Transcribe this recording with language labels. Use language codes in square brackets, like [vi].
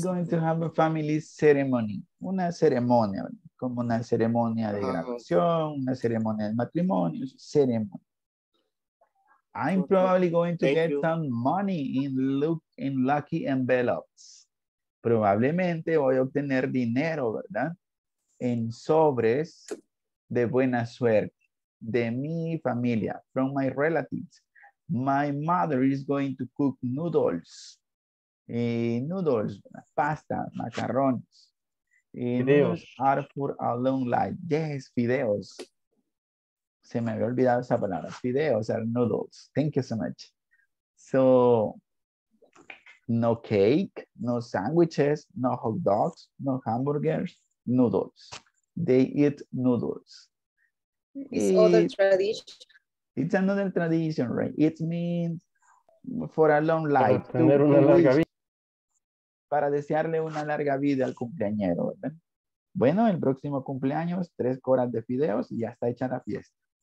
[en] Ceremonia. I'm going to have a family ceremony. [es] Una ceremonia. como una ceremonia de graduación, una ceremonia de matrimonio, ceremonia. [en] I'm probably going to get some money in lucky envelopes. [es] Probablemente voy a obtener dinero, ¿verdad? En sobres de buena suerte de mi familia, [en] from my relatives. My mother is going to cook noodles. Noodles, pasta, macarrones. [es] Fideos. [en] Are for a long life. Yes, [es] fideos. Se me había olvidado esa palabra. [en] Fideos are noodles. Thank you so much. So, no cake, no sandwiches, no hot dogs, no hamburgers, noodles. They eat noodles. It's another tradition. It's another tradition, right? It means for a long life. [es] Para tener una larga vida. Para desearle una larga vida al cumpleañero, ¿verdad? Bueno, el próximo cumpleaños, 3 coras de fideos y ya está hecha la fiesta.